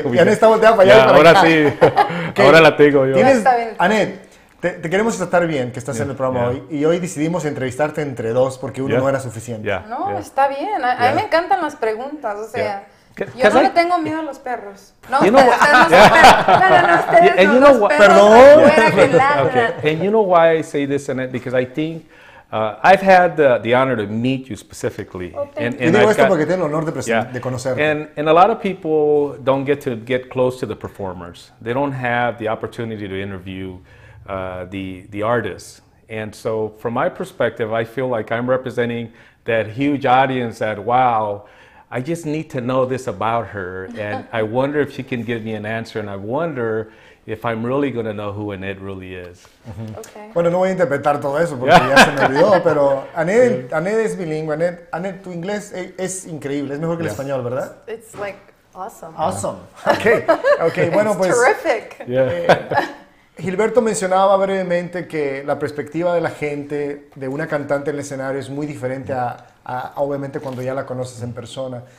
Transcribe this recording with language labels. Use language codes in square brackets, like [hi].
[es] Y Annette está volteada para allá. Ahora acá. Sí, okay. Ahora la tengo yo. Te queremos tratar bien, que estás en el programa hoy. Y hoy decidimos entrevistarte entre dos, porque uno no era suficiente. Está bien. A mí me encantan las preguntas, o sea... Yo no le tengo miedo a los perros. [en] And you know why I say this, Annette? Because I think I've had the honor to meet you specifically. [es] Porque tengo el honor de conocerte. [en] And a lot of people don't get to get close to the performers. They don't have the opportunity to interview the artists. And so from my perspective, I feel like I'm representing that huge audience that, wow, I just need to know this about her, and I wonder if she can give me an answer, and I wonder if I'm really going to know who Annette really is. Okay. [es] Bueno, no voy a interpretar todo eso porque ya se me olvidó, pero Annette es bilingüe. Annette, tu inglés es increíble, es mejor que el español, ¿verdad? [en] It's like awesome. Awesome. Okay. Bueno, it's [es] pues. [en] Terrific. Yeah. [es] Gilberto mencionaba brevemente que la perspectiva de la gente de una cantante en el escenario es muy diferente a obviamente cuando ya la conoces en persona.